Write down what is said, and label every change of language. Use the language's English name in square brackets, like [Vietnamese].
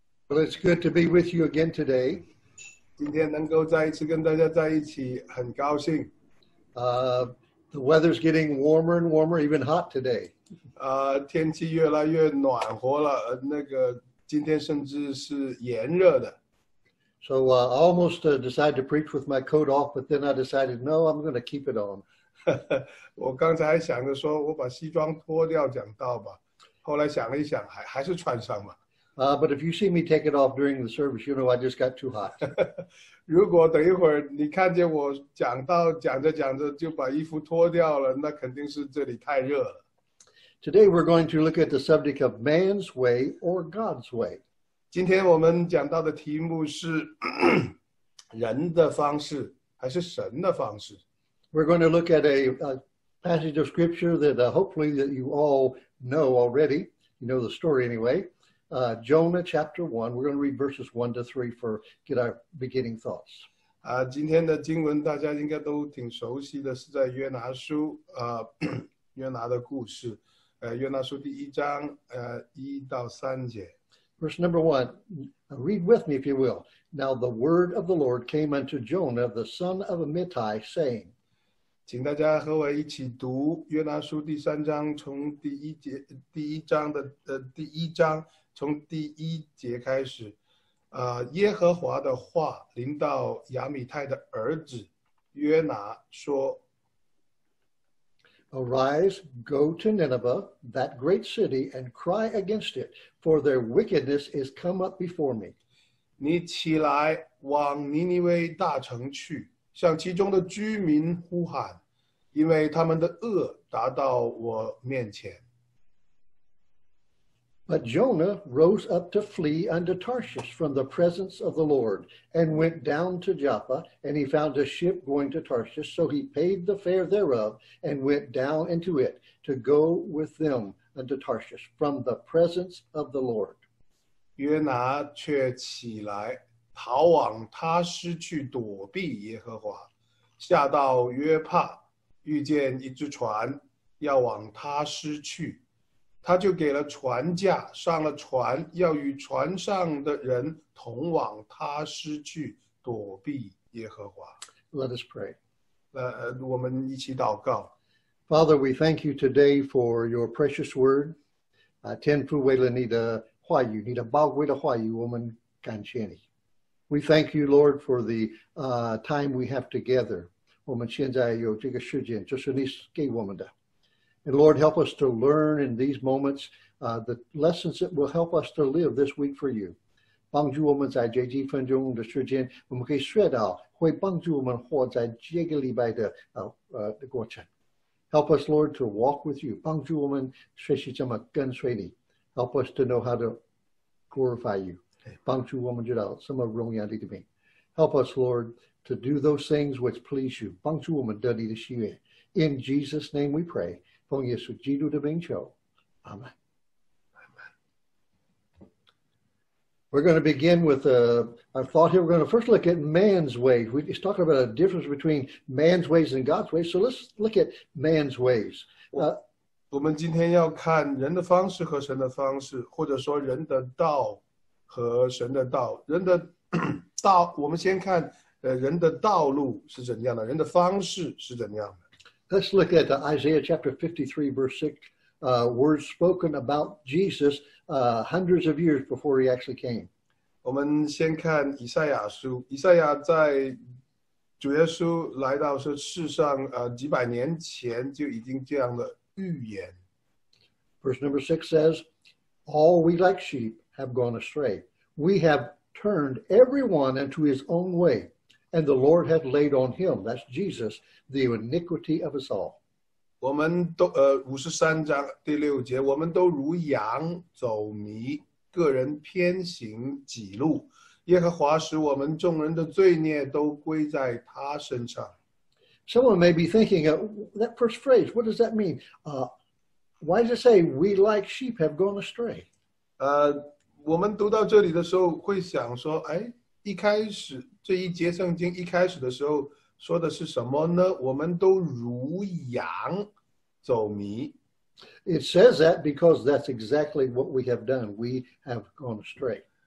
[English] It's good to be with you again today. [Chinese] 今天能够再一次跟大家在一起，很高兴。 [English] The weather's getting warmer and warmer, even hot today. [Chinese] 天气越来越暖和了，那个今天甚至是炎热的。 [English] So I almost decided to preach with my coat off, but then I decided, no, I'm going to keep it on. [Chinese] 我刚才还想着说，我把西装脱掉讲道吧，后来想了一想，还是穿上吧。 [English] But if you see me take it off during the service, you know I just got too hot. [Chinese] 如果等一会儿你看见我讲到讲着讲着就把衣服脱掉了，那肯定是这里太热了。 [English] Today we're going to look at the subject of man's way or God's way. [Chinese] 今天我们讲到的题目是人的方式还是神的方式。 [English] We're going to look at a passage of scripture that hopefully that you all know already. You know the story anyway. Jonah chapter 1, we're going to read verses 1 to 3 for get our beginning thoughts. [Chinese] 今天的经文大家应该都挺熟悉的，是在约拿书，约拿的故事，约拿书第一章，一到三节。 [English] Verse number 1, read with me if you will. Now the word of the Lord came unto Jonah, the son of Amittai, saying, [Chinese] 请大家和我一起读约拿书第三章，从第一节，第一章的，第一章。从第一节开始，耶和华的话临到亚米泰的儿子约拿说 [English] Arise, go to Nineveh, that great city, and cry against it, for their wickedness is come up before me. [Chinese] 你起来往尼尼微大城去，向其中的居民呼喊，因为他们的恶达到我面前。 [English] But Jonah rose up to flee unto Tarshish from the presence of the Lord, and went down to Joppa, and he found a ship going to Tarshish, so he paid the fare thereof, and went down into it to go with them unto Tarshish from the presence of the Lord. [Chinese] 约拿却起来逃往他失去躲避耶和华，下到约帕，遇见一只船要往他失去。他就给了船驾，上了船，要与船上的人同往他失去，躲避耶和华。 [English] Let us pray. [Chinese] 我们一起祷告。 [English] Father, we thank you today for your precious word. [Chinese] 天父为了你的话语，你的宝贵的话语，我们感谢你。 [English] We thank you, Lord, for the time we have together. [Chinese] 我们现在有这个时间，就是你给我们的。 [English] And Lord, help us to learn in these moments the lessons that will help us to live this week for you. [Chinese] 帮助我们在这几分钟的时间，我们可以学到会帮助我们活在这个礼拜的过程。 [English] Help us, Lord, to walk with you. [Chinese] 帮助我们学习怎么跟随你。 [English] Help us to know how to glorify you. [Chinese] 帮助我们知道什么荣耀你的名。 [English] Help us, Lord, to do those things which please you. [Chinese] 帮助我们得你的喜悦。 [English] In Jesus' name we pray. [Chinese] 奉耶稣基督的名求，阿门。 [English] We're going to begin with our thought here. We're going to first look at man's way. He's talking about a difference between man's ways and God's ways. So let's look at man's ways. [Chinese] 我们今天要看人的方式和神的方式，或者说人的道和神的道。人的道，我们先看人的道路是怎样的，人的方式是怎样的。 [English] Let's look at Isaiah chapter 53, verse 6, words spoken about Jesus hundreds of years before he actually came. [Chinese] 我们先看以赛亚书，以赛亚在主耶稣来到世上几百年前就已经这样的预言。 [English] Verse number 6 says, All we like sheep have gone astray. We have turned everyone into his own way. And the Lord hath laid on him, that's Jesus, the iniquity of us all. [Chinese] 我们都53章第六节，我们都如羊走迷，个人偏行己路。耶和华使我们众人的罪孽都归在他身上。 [English] Someone may be thinking, that first phrase, what does that mean? Why does it say, we like sheep have gone astray? [Chinese] 我们读到这里的时候会想说，哎，一开始这一节圣经一开始的时候说的是什么呢？我们都如羊走迷。 [English] It says that because that's exactly what we have done. We have gone astray.